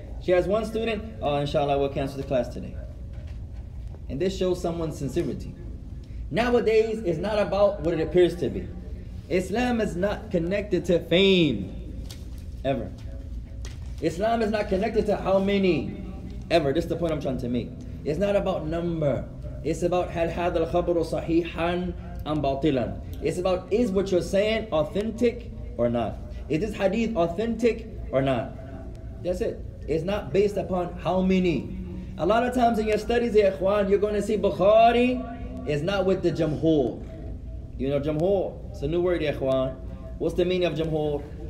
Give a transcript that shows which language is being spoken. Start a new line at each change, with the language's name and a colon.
English: She has one student, oh, inshallah, we'll cancel the class today. And this shows someone's sincerity. Nowadays, it's not about what it appears to be. Islam is not connected to fame, ever. Islam is not connected to how many. Ever, this is the point I'm trying to make. It's not about number. It's about
Arabic: هل هذا الخبر صحيحا أم باطلا.
English: It's about is what you're saying authentic or not. Is this hadith authentic or not? That's it. It's not based upon how many. A lot of times in your studies, ya ikhwan, you're going to see Bukhari is not with the jamhur. You know jamhur? It's a new word, ya ikhwan. What's the meaning of jamhur?